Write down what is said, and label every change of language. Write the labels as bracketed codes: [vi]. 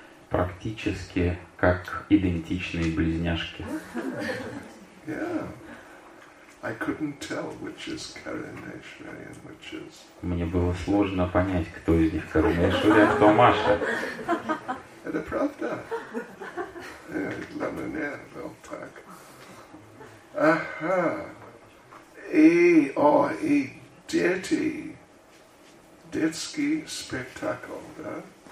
[ru] Практически как идентичные близняшки. [en] Yeah, I couldn't tell which is Karineshwari and which is. [ru] Мне было сложно понять, кто из них Карунешвари, а кто Маша. Это правда? Ладно, не, вот так. Ага. И дети. Детский спектакль, да?